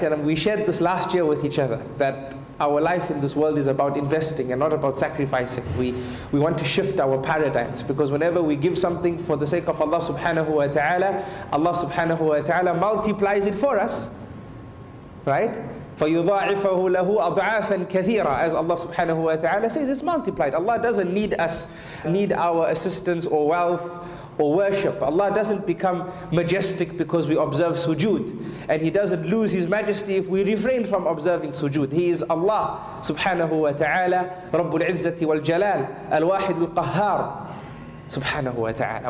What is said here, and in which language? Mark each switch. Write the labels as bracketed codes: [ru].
[en] And we shared this last year with each other, that our life in this world is about investing and not about sacrificing. We want to shift our paradigms, because whenever we give something for the sake of Allah subhanahu wa ta'ala, Allah subhanahu wa ta'ala multiplies it for us, right? [ar] فَيُضَاعِفَهُ لَهُ أَضْعَافًا كَثِيرًا. [en] As Allah subhanahu wa ta'ala says, it's multiplied. Allah doesn't need us, need our assistance or wealth or worship. Allah doesn't become majestic because we observe sujood. And He doesn't lose His majesty if we refrain from observing sujood. He is Allah subhanahu wa ta'ala, [ar] رَبُّ الْعِزَّةِ وَالْجَلَالِ أَلْوَاحِدُ الْقَهَّارِ [en] subhanahu wa ta'ala.